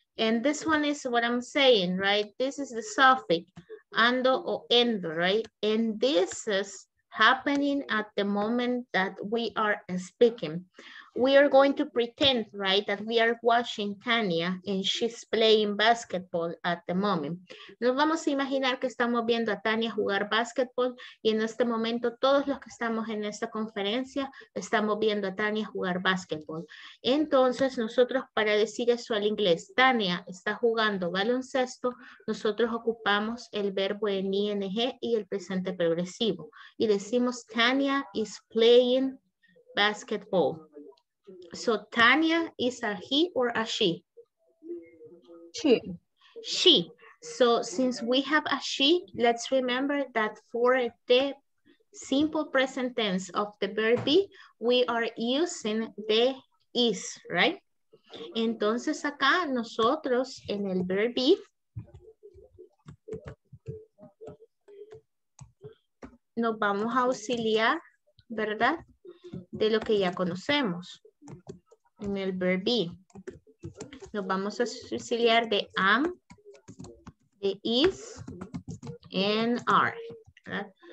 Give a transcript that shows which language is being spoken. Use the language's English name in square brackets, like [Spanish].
[English] And this one is what I'm saying, right? This is the suffix, ando o endo, right? And this is happening at the moment that we are speaking. We are going to pretend, right, that we are watching Tania and she's playing basketball at the moment. [Spanish] Nos vamos a imaginar que estamos viendo a Tania jugar basketball y en este momento todos los que estamos en esta conferencia estamos viendo a Tania jugar basketball. Entonces nosotros para decir eso al inglés, Tania está jugando baloncesto, nosotros ocupamos el verbo en ing y el presente progresivo y decimos [English] Tania is playing basketball. So Tania is a he or a she? She. She. So since we have a she, let's remember that for the simple present tense of the verb be, we are using the is, right? [Spanish] Entonces acá nosotros en el [English] verb be, [Spanish] nos vamos a auxiliar, ¿verdad? De lo que ya conocemos. En el [English] verb be, [Spanish] nos vamos a auxiliar de am, de is, [English] and are. [Spanish] ¿Verdad?